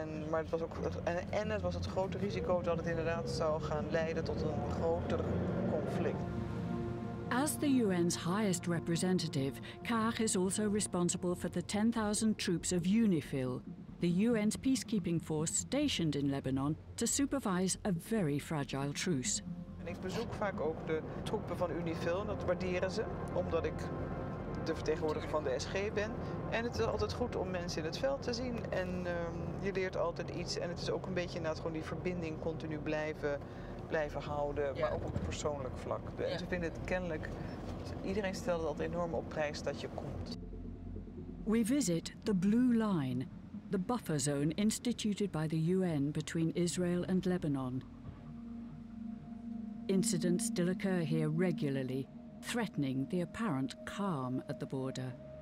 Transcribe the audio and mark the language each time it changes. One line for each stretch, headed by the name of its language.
Dutch: Maar het was ook, en het was het grote risico dat het inderdaad zou gaan leiden tot een groter conflict.
English: As the UN's highest representative, Kaag is also responsible for the 10,000 troops of UNIFIL, the UN's peacekeeping force stationed in Lebanon to supervise a very fragile truce.
Dutch: En ik bezoek vaak ook de troepen van UNIFIL, dat waarderen ze, omdat ik de vertegenwoordiger van de SG ben. En het is altijd goed om mensen in het veld te zien. En je leert altijd iets. En het is ook een beetje inderdaad gewoon die verbinding continu blijven houden. Ja. Maar ook op persoonlijk vlak. Ja. En ze vinden het kennelijk. Iedereen stelt altijd enorm op prijs dat je komt.
English: We visit the Blue Line, the buffer zone instituted by the UN between Israel and Lebanon. Incidents still occur here regularly, threatening the apparent calm at the border.